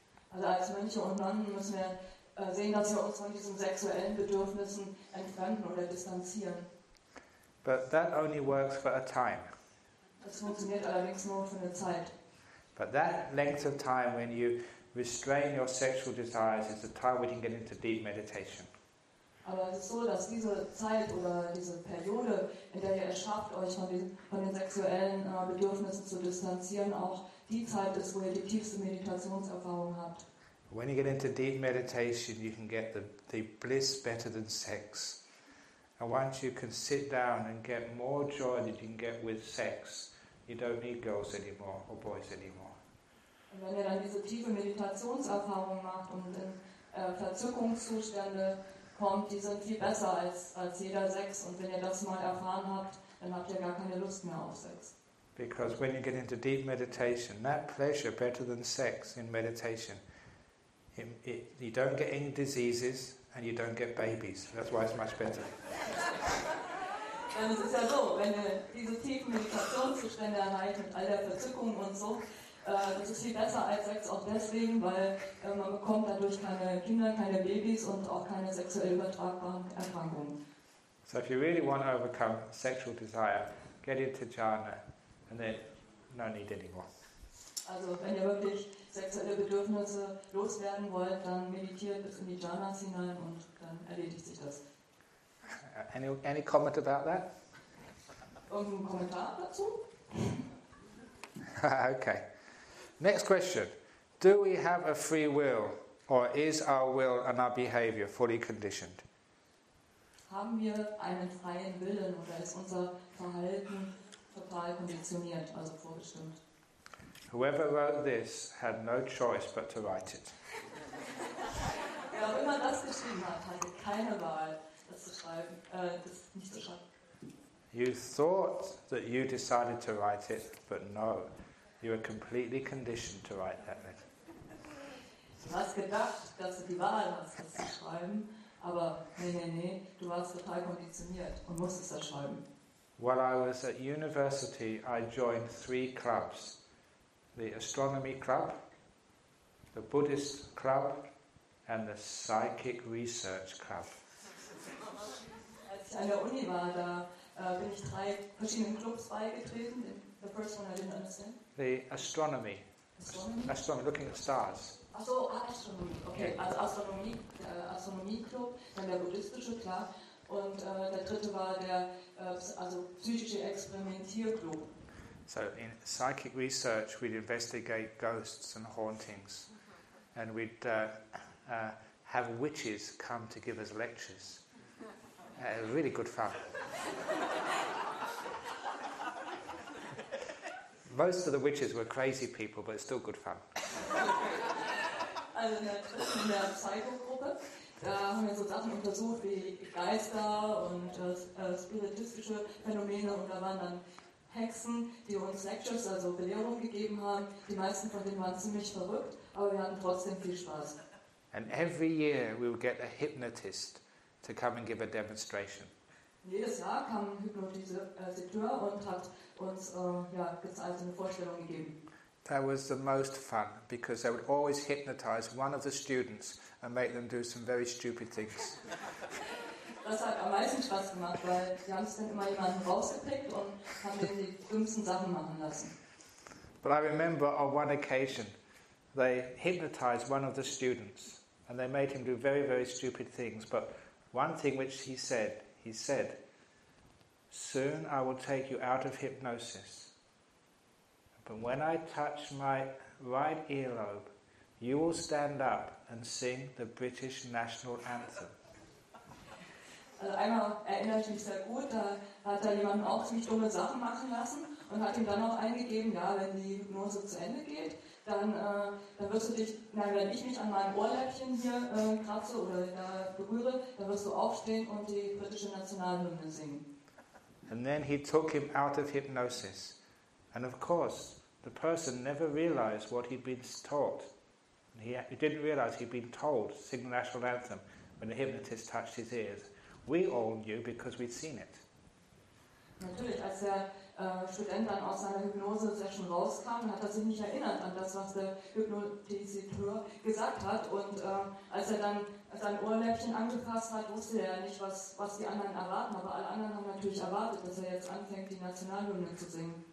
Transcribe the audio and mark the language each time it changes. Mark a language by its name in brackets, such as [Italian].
[German] Also als Mönche und Nonnen müssen wir sehen, dass wir uns von diesen sexuellen Bedürfnissen entfremden oder distanzieren. [English] But that only works for a time. [German] Das funktioniert allerdings nur für eine Zeit. [English] But that length of time when you restrain your sexual desires is the time we can get into deep meditation. [German] Aber es ist so, dass diese Zeit oder diese Periode, in der ihr es schafft, euch von den sexuellen Bedürfnissen zu distanzieren, auch die Zeit ist, wo ihr die tiefste Meditationserfahrung habt. [English] When you get into deep meditation, you can get the bliss better than sex. And once you can sit down and get more joy than you can get with sex, you don't need girls anymore or boys anymore. [German] Und wenn ihr dann diese tiefe Meditationserfahrung macht und in Verzückungszustände kommt, die sind viel besser als jeder Sex. Und wenn ihr das mal erfahren habt, dann habt ihr gar keine Lust mehr auf Sex. [English] Because when you get into deep meditation, that pleasure better than sex in meditation, you don't get any diseases and you don't get babies. That's why it's much better. [German] Und es ist ja so, wenn ihr diese tiefen Meditationszustände erreicht mit all der Verzückung und so, das ist viel besser als Sex auch deswegen, weil man bekommt dadurch keine Kinder, keine Babys und auch keine sexuell übertragbaren Erkrankungen. [English] So if you really want to overcome sexual desire, get into jhana and then no need anymore. [German] Also wenn ihr wirklich sexuelle Bedürfnisse loswerden wollt, dann meditiert bis in die Jhanas hinein und dann erledigt sich das. [English] Any comment about that? [German] Irgendein Kommentar dazu? [English] Okay. Next question. Do we have a free will or is our will and our behavior fully conditioned? [German] Haben wir einen freien Willen oder ist unser Verhalten total konditioniert, also vorbestimmt? [English] Whoever wrote this had no choice but to write it. [German] Wer auch immer das geschrieben hat, hatte keine Wahl, das nicht zu schreiben. [English] You thought that you decided to write it, but no. You were completely conditioned to write that letter. [German] Du hast gedacht, dass du die Wahl hast, das zu schreiben, aber nee, du warst total konditioniert und musstest das schreiben. [English] While I was at university, I joined 3 clubs. The astronomy club, the Buddhist club, and the psychic research club. [German] ich an der Uni war, da bin ich drei verschiedenen Clubs beigetreten. [English] The first one I didn't understand. The astronomy. Astronomy, looking at stars. [German] Also Astronomie, okay. Yeah. Also Astronomie, Astronomie-Club, dann der buddhistische, klar. Und der dritte war der also psychische Experimentierclub. [English] So in psychic research, we'd investigate ghosts and hauntings. And we'd have witches come to give us lectures. Really good fun. Most of the witches were crazy people, but it's still good fun. [German] Also in der Psycho-Gruppe, da haben wir so Sachen untersucht, wie Geister und spiritistische Phänomene. Und da waren dann Hexen, die uns Lectures, also Belehrungen gegeben haben. Die meisten von denen waren ziemlich verrückt, aber wir hatten trotzdem viel Spaß. [English] And every year we would get a hypnotist to come and give a demonstration. [German] Jedes Jahr kam ein Hypnotiseur und hat uns also eine Vorstellung gegeben. [English] That was the most fun, because they would always hypnotize one of the students and make them do some very stupid things. [German] Das hat am meisten Spaß gemacht, weil die haben sich dann immer jemanden rausgepickt und haben denen die dümmsten Sachen machen lassen. [English] But I remember on one occasion, they hypnotized one of the students and they made him do very, very stupid things. But one thing which he said, soon I will take you out of hypnosis. But when I touch my right earlobe, you will stand up and sing the British National Anthem. [German] Also einmal erinnere ich mich sehr gut, da hat er jemanden auch ziemlich dumme Sachen machen lassen und hat ihm dann auch eingegeben, ja, wenn die Hypnose zu Ende geht, dann wirst du dich, nein, wenn ich mich an meinem Ohrläppchen hier kratze oder berühre, dann wirst du aufstehen und die britische Nationalhymne singen. [English] And then he took him out of hypnosis. And of course, the person never realized what he'd been taught. He didn't realize he'd been told to sing the national anthem when the hypnotist touched his ears. We all knew because we'd seen it. [German] Natürlich, als der Student dann aus seiner Hypnose-Session rauskam, hat er sich nicht erinnert an das, was der Hypnotiseur gesagt hat. Und als er dann sein Ohrläppchen angepasst hat, wusste er nicht, was die anderen erwarten. Aber alle anderen haben natürlich erwartet, dass er jetzt anfängt, die Nationalhymne zu singen.